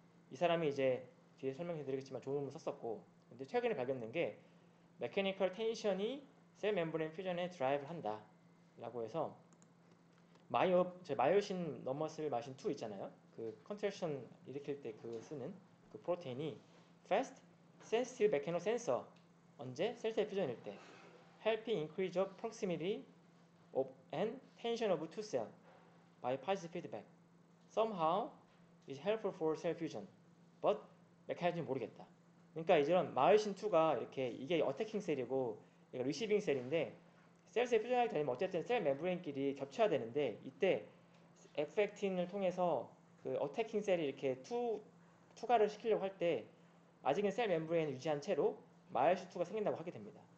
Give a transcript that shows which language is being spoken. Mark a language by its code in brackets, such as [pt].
[ko] 이 사람이 이제 뒤에 설명해드리겠지만 좋은 논문 썼었고 근데 최근에 발견된 게 메케니컬 텐션이 셀 멤브레인 퓨전에 드라이브를 한다 라고 해서 마이오신 넘버슬 마신 2 있잖아요. 그 컨트랙션 일으킬 때 그 쓰는 그 프로테인이 Fast Sensitive Mechano Sensor 언제? 셀셀 퓨전일 때 [en] Helping increase of proximity of and tension of two cell by positive feedback somehow is helpful for cell fusion but [ko] 메커니즘 모르겠다. 그러니까 이제는 마이오신 2가 이렇게 이게 어택킹 셀이고 이거 리시빙 셀인데 셀셀 퓨전하게 되면 어쨌든 셀 멤브레인끼리 겹쳐야 되는데 이때 에펙틴을 통해서 그 어택킹 셀이 이렇게 투과를 시키려고 할 때 아직은 셀 멤브레인을 유지한 채로 마이오신 2가 생긴다고 하게 됩니다.